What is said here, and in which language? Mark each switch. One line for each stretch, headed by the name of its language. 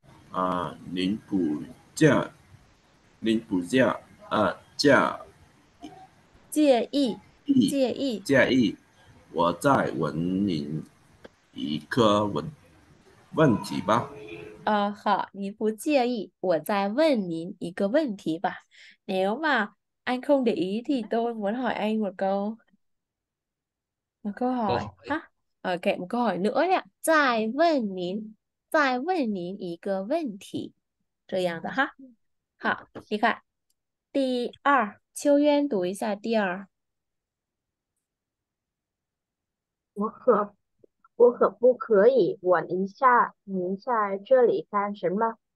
Chinese: 啊，零补价，零补价，啊，价。介意。介意，建议我再问您一个问题吧。好，你不介意，我再问您一个问题吧。
Vietnamese: nếu mà anh không để ý thì tôi muốn hỏi anh một câu hỏi ha. OK, một câu hỏi nữa nhé.
Chinese: 再问您一个问题，这样的哈。好，你看，第二，秋渊读一下第二。我可不可以问一下，您在这里干什么？